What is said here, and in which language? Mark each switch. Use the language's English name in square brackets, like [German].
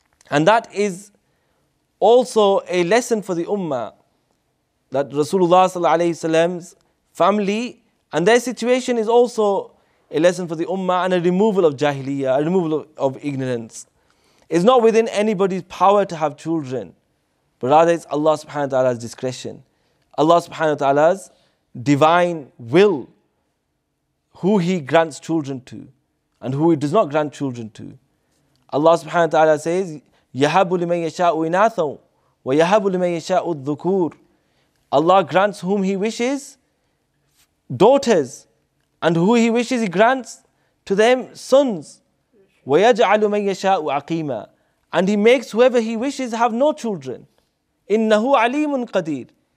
[English] And that is also a lesson for the Ummah, that Rasulullah sallallahu alayhi wasallam's family and their situation is also a lesson for the Ummah and a removal of jahiliyyah, a removal of ignorance. It's not within anybody's power to have children, but rather it's Allah subhanahu wa ta'ala's discretion, Allah subhanahu wa ta'ala's divine will, who He grants children to and who He does not grant children to. Allah subhanahu wa ta'ala says, [Arabic] يَهَبُ لِمَنْ يَشَاءُ إِنَاثًا وَيَهَبُ لِمَنْ يَشَاءُ الذُّكُورِ. [English] Allah grants whom He wishes daughters, and who He wishes He grants to them sons. [Arabic] وَيَجْعَلُ مَنْ يَشَاءُ عَقِيمًا. [English] And He makes whoever He wishes have no children. [Arabic] إِنَّهُ عَلِيمٌ قَدِيرٌ.